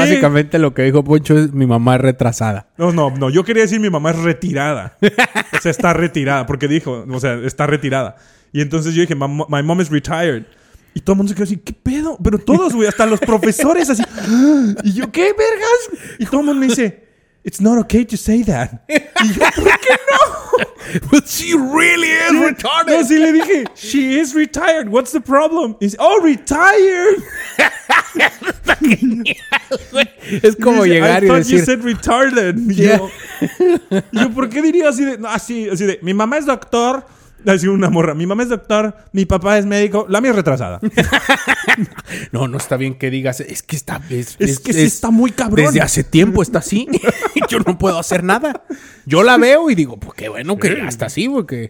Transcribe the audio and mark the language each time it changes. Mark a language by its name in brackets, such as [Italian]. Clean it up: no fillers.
[Spanish] Básicamente lo que dijo Poncho es mi mamá es retrasada. No, no, no, yo quería decir mi mamá es retirada. O sea, está retirada, porque dijo, o sea, está retirada. Y entonces yo dije, [English] my mom is retired. [Spanish] Y todo el mundo se quedó así, ¿qué pedo? Pero todos, güey, hasta los profesores así. Y yo, ¿qué vergas? Y todo el mundo me dice, [English] it's not okay to say that. [Spanish] Y yo, ¿por qué no? [English] But she really is retarded. [Spanish] No, sí le dije, [English] she is retired. What's the problem? Is oh, retired. [Spanish] Es como dice, llegar [English] I [Spanish] y decir, [English] I thought you said retarded. Yeah. [Spanish] Yo, ¿por qué diría así de, no, así de, mi mamá es doctor? Así una morra, mi mamá es doctor, mi papá es médico, la mía es retrasada. No, no está bien que digas, es que está, es que sí está muy cabrón. Desde hace tiempo está así. Yo no puedo hacer nada. Yo la veo y digo, pues qué bueno que ya está así, porque.